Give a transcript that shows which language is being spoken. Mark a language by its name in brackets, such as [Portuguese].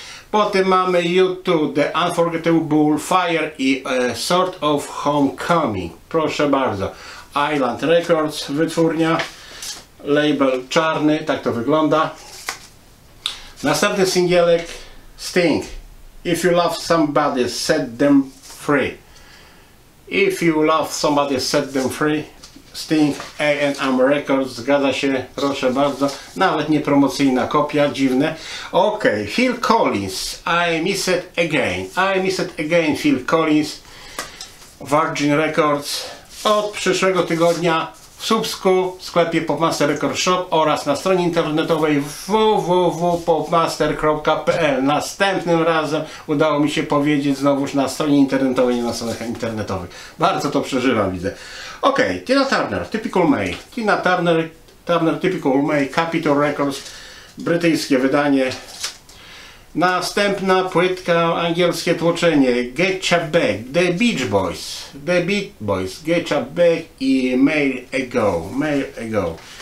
[Polish] Potem mamy U2, The Unforgettable Fire i Sort of Homecoming, proszę bardzo, Island Records, wytwórnia. Label czarny, tak to wygląda. Następny singielek Sting. [English] If you love somebody, set them free. If you love somebody, set them free. [Polish] Sting, A&M Records, zgadza się, proszę bardzo. Nawet nie promocyjna kopia, dziwne. Ok, Phil Collins, I Miss It Again. I Miss It Again, Phil Collins, Virgin Records. Od przyszłego tygodnia w Słupsku, w sklepie Popmaster Record Shop oraz na stronie internetowej www.popmaster.pl. Następnym razem udało mi się powiedzieć znowuż na stronie internetowej, nie na stronach internetowych. Bardzo to przeżywam, widzę. Ok, Tina Turner, Typical May. Tina Turner, Turner Typical May, Capitol Records, brytyjskie wydanie. Następna płytka, angielskie tłoczenie, Get Ya Back, The Beach Boys, The Beach Boys, Get Ya Back i Mail Ago, Mail Ago.